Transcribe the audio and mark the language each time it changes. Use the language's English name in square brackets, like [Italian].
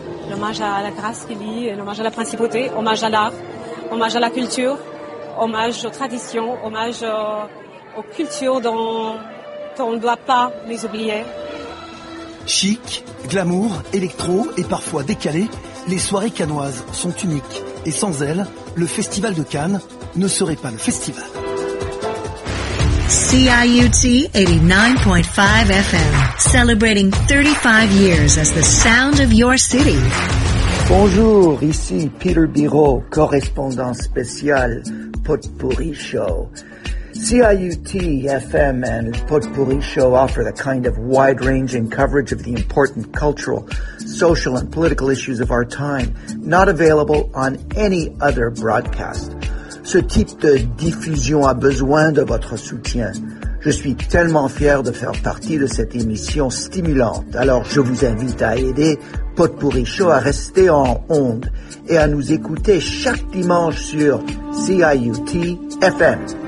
[French] L'hommage à la grâce qui lit, l'hommage à la principauté, hommage à l'art, hommage à la culture, hommage aux traditions, hommage aux cultures dont on ne doit pas les oublier. Chic, glamour, électro et parfois décalé, les soirées cannoises sont uniques. Et sans elles, le Festival de Cannes ne serait pas le festival. [English] CIUT 89.5 FM, celebrating 35 years as the sound of your city. [French] Bonjour, ici Peter Biraud, correspondant spécial Potpourri Show. [English] CIUT FM and Potpourri Show offer the kind of wide-ranging coverage of the important cultural, social, and political issues of our time, not available on any other broadcast. [French] Ce type de diffusion a besoin de votre soutien. Je suis tellement fier de faire partie de cette émission stimulante. Alors, je vous invite à aider Potpourri Show à rester en onde et à nous écouter chaque dimanche sur CIUT FM.